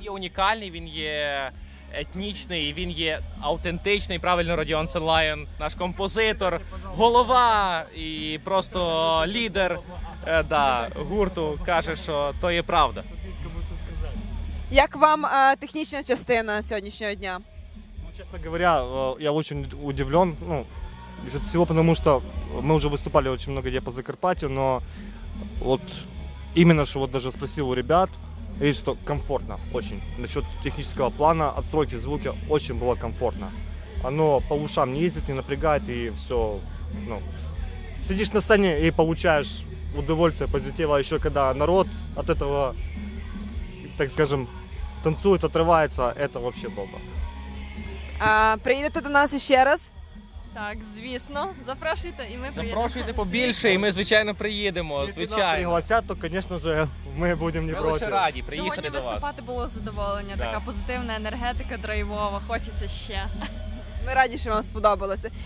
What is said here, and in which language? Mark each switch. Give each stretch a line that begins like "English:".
Ukrainian: Є унікальний, він є етнічний, він є автентичний, правильно, Родіон Сенлайон, наш композитор, голова і просто лідер, да, гурту, каже, що то є правда. Як вам технічна частина сьогоднішнього дня?
Russian: Честно говоря, я очень удивлен, ну, от всего, потому что мы уже выступали очень много где по Закарпатью, но вот именно, что вот даже спросил у ребят, и что комфортно очень. Насчет технического плана, отстройки звука очень было комфортно. Оно по ушам не ездит, не напрягает, и все, ну, сидишь на сцене и получаешь удовольствие, позитива, еще когда народ от этого, так скажем, танцует, отрывается, это вообще бомба.
Ukrainian: А приїдете до нас ще раз? Так, звісно. Запрошуйте, і ми приїдемо. Запрошуйте побільше, і ми, звичайно, приїдемо. Звичайно. Якщо нас пригласять, то, звісно ж, ми будемо не проти. Ми дуже раді приїхати до вас. Сьогодні виступати було задоволення. Да. Така позитивна енергетика, драйвова. Хочеться ще. Ми раді, що вам сподобалося.